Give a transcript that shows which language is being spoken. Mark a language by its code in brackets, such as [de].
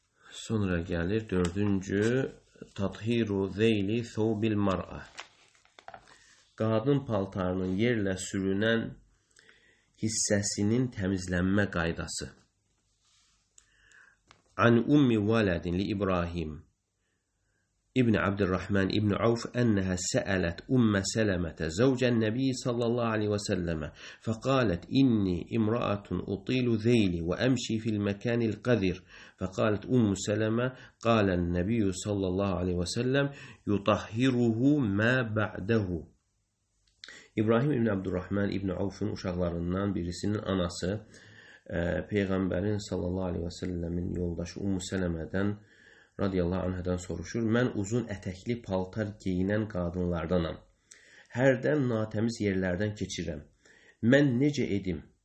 [az] Sonra gəlir dördüncü, [ar] tathiru zeyli thubil mar'a. [az] Qadın paltarının yerlə sürünən hissəsinin təmizlənmə qaydası. [ar] عن أم والد لإبراهيم ابن عبد الرحمن ابن عوف أنها سألت أم سلمة زوج النبي صلى الله عليه وسلم فقالت إني امرأة أطيل ذيلي وأمشي في المكان القذر فقالت أم سلمة قال النبي صلى الله عليه وسلم يطهره ما بعده. [az] إبراهيم ابن عبد الرحمن ابن عوف uşaqlarından birisinin anası Peyğəmbərin sallallahu aleyhi və səlləmin yoldaşı Ummu Sələmədən radiyallahu anhədən soruşur. Mən uzun ətəkli paltar geyinən qadınlardanam. Hərdən natəmiz yerlərdən keçirəm. Mən necə edim?